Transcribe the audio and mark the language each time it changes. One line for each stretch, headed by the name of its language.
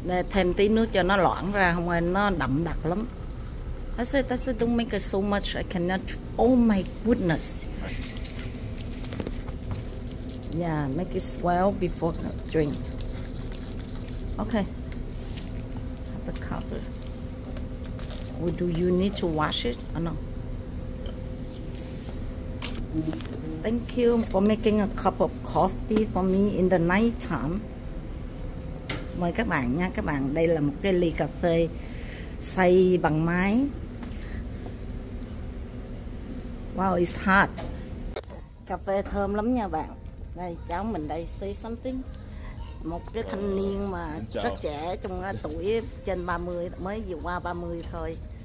Vietnamese: Thêm tí nước cho nó loãng ra, không ơi, nó đậm đặc lắm.
English: I said don't make it so much, I cannot. Oh my goodness. Yeah, make it swell before drink. Okay. Have the cover. Or do you need to wash it or no? Thank you for making a cup of coffee for me in the night time.
Vietnamese: Mời các bạn nha các bạn, đây là một cái ly cà phê xay bằng máy.
English: Wow, it's hot.
Vietnamese: Cà phê thơm lắm nha bạn. Đây, cháu mình đây,
English: say something.
Vietnamese: Một cái thanh niên mà rất trẻ, trong tuổi trên 30, mới vừa qua 30 thôi.